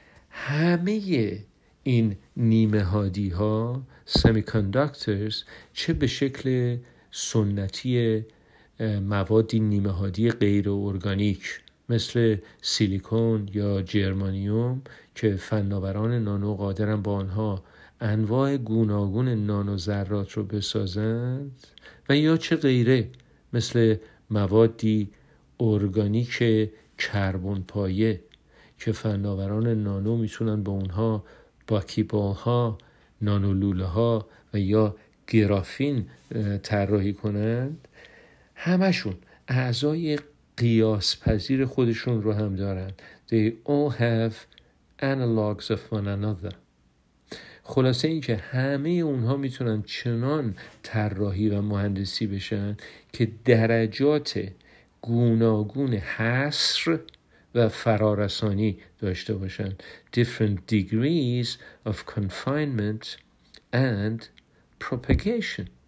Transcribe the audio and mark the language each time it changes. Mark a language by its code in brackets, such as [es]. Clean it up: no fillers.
[fa] همه این نیمه هادی‌ها سمی کاندکترز، چه به شکل سنتی موادی نیمه هادی غیر ارگانیک مثل سیلیکون یا جرمانیوم که فناوران نانو قادرن با آنها انواع گوناگون نانو ذرات رو بسازند، و یا چه غیره مثل موادی ارگانیک کربن پایه که فناوران نانو میتونن با اونها باکیبالها، نانولوله‌ها و یا گرافین طراحی کنند، همشون اعضای قیاس پذیر خودشون رو هم دارن. [en] They all have analogs of one another. [fa] خلاصه این که همه اونها میتونن چنان طراحی و مهندسی بشن که درجات گوناگون حصر و فرارسانی داشته باشن. [en] Different degrees of confinement and propagation.